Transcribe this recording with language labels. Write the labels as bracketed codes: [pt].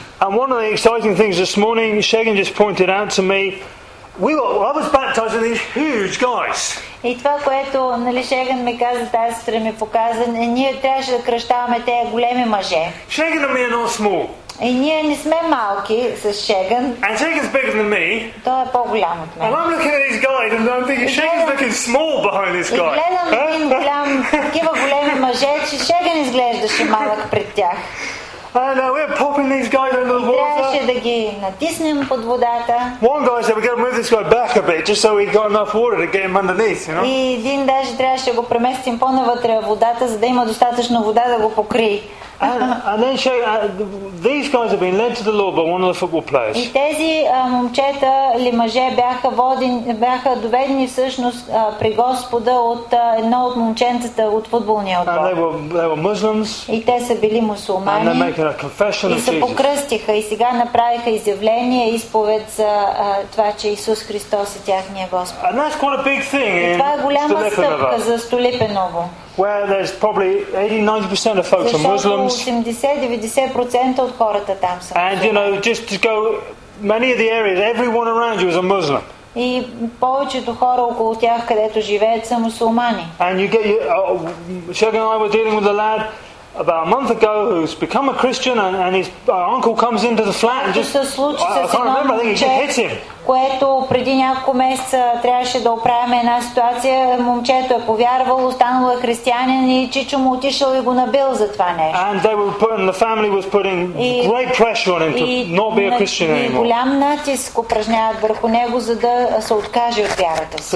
[en] And one of the exciting things this morning, Shagan just pointed out to me, I was baptizing these huge guys. [bg] И това, което нали Шеган ми каза тази сутрин, ми показа, е, ние трябваше да кръщаваме тези големи мъже. Шеган ми е много [en] small. [bg] И ние не сме малки с Шеган. [en] And Shagan's bigger than me. [bg] Той е по-голям от мен. [en] And I'm looking at these guys and I'm thinking Shagan's looking small behind this guy. [bg] И гледам един голям, такива големи мъже, че Шеган изглеждаше малък пред тях. [en] And we're popping these guys under the water. [bg] Трябваше да ги натиснем под водата. [en] One guy said, we're going to move this guy back a bit, just so he got enough water to get him underneath, you know? [bg] И един даже трябваше да го преместим по-навътре в водата, за да има достатъчно вода да го покри. [en] And then show these guys have been led to the Lord by one of the football players. [bg] И тези момчета или мъже бяха доведени всъщност при Господа от едно от момченцата от футболния отбор. [en] And they were Muslims. [bg] И те са били мусулмани. [en] And they make a confession of Jesus. [bg] И се покръстиха и сега направиха изявление, изповед за това, че Исус Христос е тяхния Господ. [en] And that's quite a big thing. [bg] И това е голяма стъпка за Столипеново. [en] Where there's probably 80-90% of folks are Muslims. [bg] 80-90% от хората там са. [en] And you know, just to go many of the areas, everyone around you is a Muslim. [bg] И повечето хора около тях, където живеят, са мусулмани. [en] And you get Shagan and I were dealing with a lad about a month ago who's become a Christian and his uncle comes into the flat and just I can't remember, I think he hit him. [bg] Което преди няколко месеца трябваше да оправим една ситуация, момчето е повярвало, станало е християнин и чичо му отишъл и го набил за това нещо. [en] And they were putting, the family was putting great pressure on him to not be a Christian anymore. [bg] И голям натиск упражняват върху него, за да се откаже от вярата си.